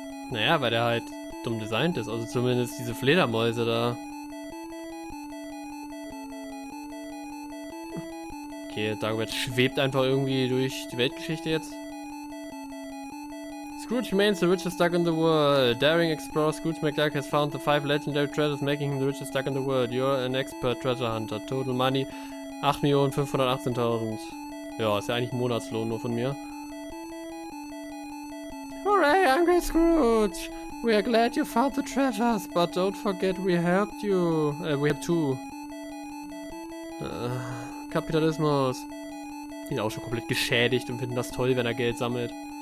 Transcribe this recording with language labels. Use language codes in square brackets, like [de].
[de] Naja, weil der halt dumm designt ist. Also zumindest diese Fledermäuse da. Okay, Dagobert schwebt einfach irgendwie durch die Weltgeschichte jetzt. [en] Scrooge remains the richest duck in the world. Daring explorer Scrooge McDuck has found the five legendary treasures making him the richest duck in the world. You're an expert treasure hunter. Total money 8.518.000. [de] Ja, ist ja eigentlich ein Monatslohn nur von mir. [en] Hooray, angry Scrooge. We are glad you found the treasures, but don't forget we helped you. We have two. [de] Kapitalismus. Die sind auch schon komplett geschädigt und finden das toll, wenn er Geld sammelt.